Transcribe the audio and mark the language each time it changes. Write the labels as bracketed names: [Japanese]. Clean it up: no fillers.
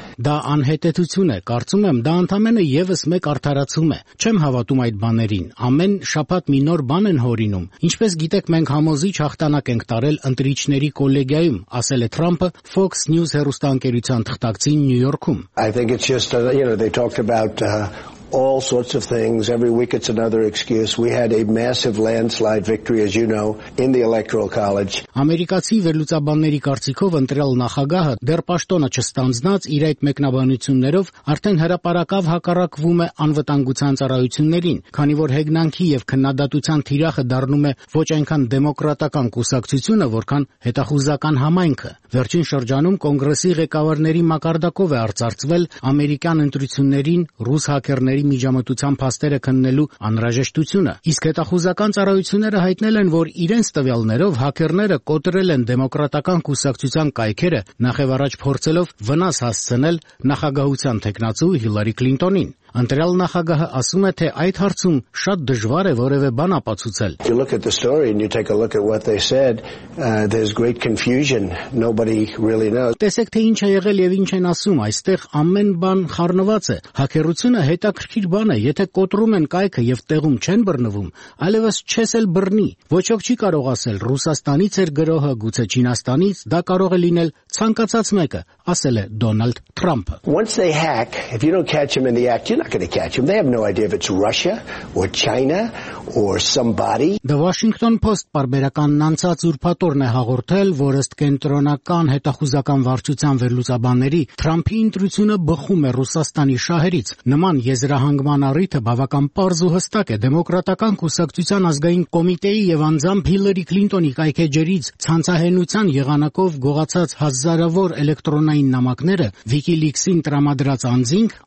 [Armenian] Դա անհետեցություն է, կարծում եմ, դա ընդամենը եւս մեկ արդարացում է։ Չեմ հավատում այդ բաներին։ Ամեն շաբաթ մի նոր բան են հորինում։ Ինչպես գիտեք, մենք համոզիչ հաղթանակ ենք տարել ընտրիչների կոլեգիայում, ասել է Թրամփը Fox News հեռուստաընկերության թղթակցին Նյու Յորքում։ [English] I think it's just you know, they talked about all sorts of things. Every week it's another excuse. We had a massive landslide victory, as you know, in the electoral college. [Armenian] Ամերիկացի վերլուծաբանների կարծիքով ընտրել նախագահը դեռ պաշտոնը չստանձնած իր այդ մեկնաբանություններով արդեն հրապարակավ հակառակվում է անվտանգության ծառայություններին, քանի որ հեգնանքի եւ քննադատության թիրախը դառնում է ոչ այնքան դեմոկրատական կուսակցությունը, որքան հետախուզական համայնքը։ Վերջին շրջանում կոնգրեսի ղեկավարների մակարդակով է արձարծվել ամերիկյան ընտրություններին ռուս հակերների միջամտության փաստերը քննելու անհրաժեշտությունը։ Իսկ հետախուզական ծառայությունները հայտնել են, որ իրենց տվյալներով հակերները կոտրել են դեմոկրատական կուսակցության կայքերը, նախևառաջ փորձելով վնաս հասցնել նախագահության թեկնածու Հիլարի Քլինտոնին։ Ընտրյալ նախագահը ասում է, թե այդ հարցում շատ դժվար է որևէ բան ապացուցել. [English] If you look at the story and you take a look at what they said, there's great confusion. Nobody really knows. [Armenian] Տեսեք, թե ինչ է եղել եւ ինչ են ասում, այստեղ ամեն բան խառնված է։ Հակերությունը հետաքրքիր բան է, եթե կոտրում են կայքը եւ տեղում չեն բռնվում, այլևս չես էլ բռնի։ Ոչ ոք չի կարող ասել, Ռուսաստանից էր գրոհը, գուցե Չինաստանից, դա կարող է լինել ցանկացած մեկը, ասել է Դոնալդ Թրամփը։ [English] Once they hack, if you don't catch them in the act, you're not going to catch them. They have no idea if it's Russia or China or somebody. [Armenian] The Washington Post պարբերականն անցած ուրբաթորն է հաղորդել, որ ըստ կենտրոնական հետախուզական վարչության վերլուծաբանների, Թրամփի ինտրուսիոնը բխում է Ռուսաստանի շահերից։ Նման եզրահանգման առիթը բավական պարզ ու հստակ է դեմոկրատական կուսակցության ազգային կոմիտեի եւ անձամբ Հիլերի Քլինտոնի կայքեջերից ցանցահենության եղանակով գողացած հազարավոր էլեկտրոնային նամակները WikiLeaks-ին տրամադրած անձինք